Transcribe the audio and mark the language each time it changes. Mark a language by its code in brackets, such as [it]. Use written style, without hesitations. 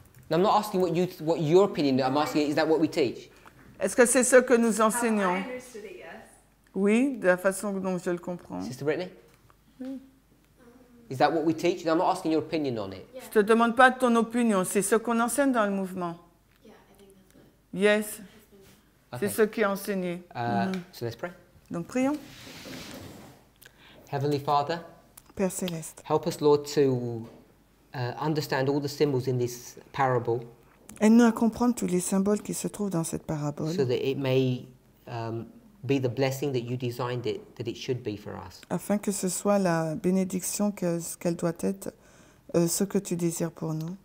[en] I'm not asking what your opinion is. I'm asking, is that what we teach? [fr] Est-ce que c'est ce que nous enseignons? [en] How I understood it, yes. [fr] Oui, de la façon dont je le comprends. [en] Sister Brittany? Is that what we teach? No, I'm not asking your opinion on it. Yeah. [fr] Je ne te demande pas ton opinion. C'est ce qu'on enseigne dans le mouvement. [en] Yeah, I think that's [fr] yes. C'est ce qui est enseigné. [en] So let's pray. [fr] Donc prions. [en] Heavenly Father. [fr] Père Céleste. [en] Help us, Lord, to... understand all the symbols in this parable. [fr] Aide-nous à comprendre tous les symboles qui se trouvent dans cette parabole. [en] So that it may be the blessing that you designed it, that it should be for us. [fr] Afin que ce soit la bénédiction qu'elle doit être, ce que tu désires pour nous.